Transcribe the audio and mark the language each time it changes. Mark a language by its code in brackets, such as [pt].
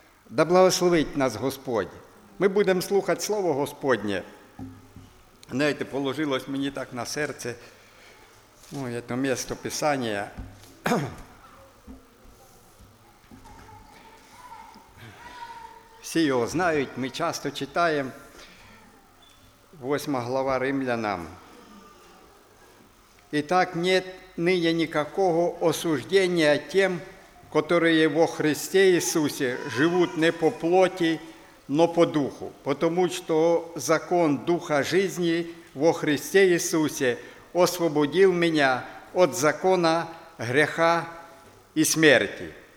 [ru] Да благословить нас Господь. [uk] Ми будемо слухати Слово Господнє. Знаєте, положилось мені так на серце, ой, це місце Писання. Всі його знають, ми часто читаємо, 8 глава Римлянам. [ru] «І так нет ныне никакого осуждения тем, которые во Христе Иисусе живут не по плоти, но по духу, потому что закон духа жизни во Христе Иисусе освободил меня от закона греха и смерти».